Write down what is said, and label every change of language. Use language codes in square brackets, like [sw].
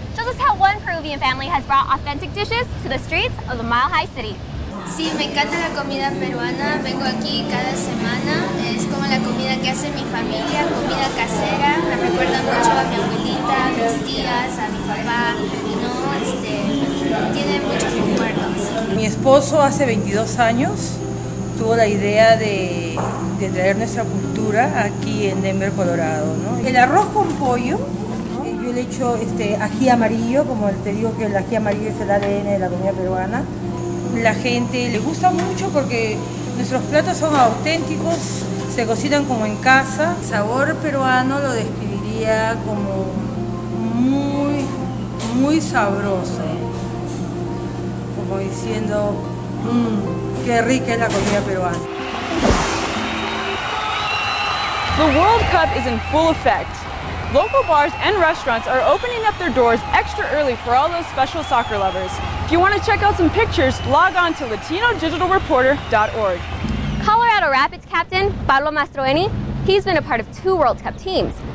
[en] shows us how one Peruvian family has brought authentic dishes to the streets of the Mile High City. [es] Sí, me encanta la comida peruana. Vengo aquí cada semana. Es como la comida que hace mi familia, comida casera. Me recuerda mucho a mi abuelita, a mis tías, a mi papá. No, tiene muchos recuerdos. Mi esposo hace 22 años tuvo la idea de traer nuestra cultura aquí en Denver, Colorado, ¿no? El arroz con pollo, yo le echo ají amarillo, como te digo que el ají amarillo es el ADN de la comida peruana. La gente le gusta mucho porque nuestros platos son auténticos, se cocinan como en casa. El sabor peruano lo describiría como muy, muy sabroso, como diciendo, qué rica es la comida peruana. [en] The World Cup is in full effect. Local bars and restaurants are opening up their doors extra early for all those special soccer lovers. If you want to check out some pictures, log on to latinodigitalreporter.org. Colorado Rapids captain Pablo Mastroeni, he's been a part of two World Cup teams.